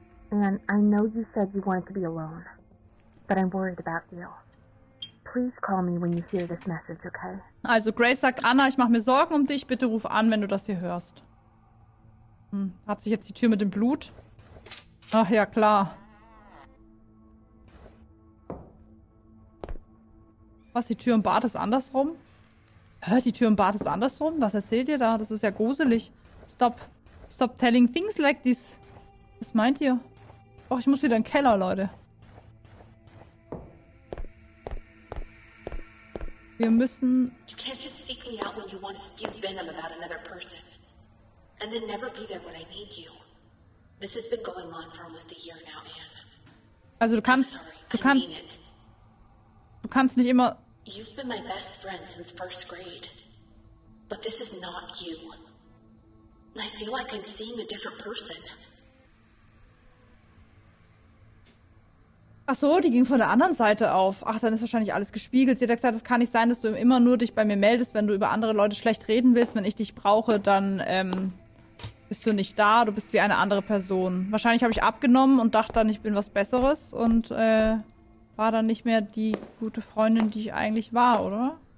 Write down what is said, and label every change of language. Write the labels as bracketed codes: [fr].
[en] Anne, I know you said you wanted to be alone, but I'm worried about you. Please call me when you hear this message, okay? [de] Also Grace sagt, Anna, ich mache mir Sorgen um dich. Bitte ruf an, wenn du das hier hörst. Hat sich jetzt die Tür mit dem Blut? Ach ja, klar. Was, die Tür im Bad ist andersrum? Hä, die Tür im Bad ist andersrum? Was erzählt ihr da? Das ist ja gruselig. Stop. [en] Stop telling things like this. [de] Was meint ihr? Och, ich muss wieder in den Keller, Leute. Wir müssen... [en] You can't just seek me out when you want to spew venom about another person. And then never be there when I need you. This has been going on for almost a year now, Anne. [de] Also du kannst nicht immer... [en] You've been my best friend since first grade. But this is not you. I feel like I'm seeing a different person. [de] Ach so, die ging von der anderen Seite auf. Ach, dann ist wahrscheinlich alles gespiegelt. Sie hat gesagt, es kann nicht sein, dass du immer nur dich bei mir meldest, wenn du über andere Leute schlecht reden willst. Wenn ich dich brauche, dann bist du nicht da, du bist wie eine andere Person. Wahrscheinlich habe ich abgenommen und dachte dann, ich bin was Besseres und war dann nicht mehr die gute Freundin, die ich eigentlich war, oder?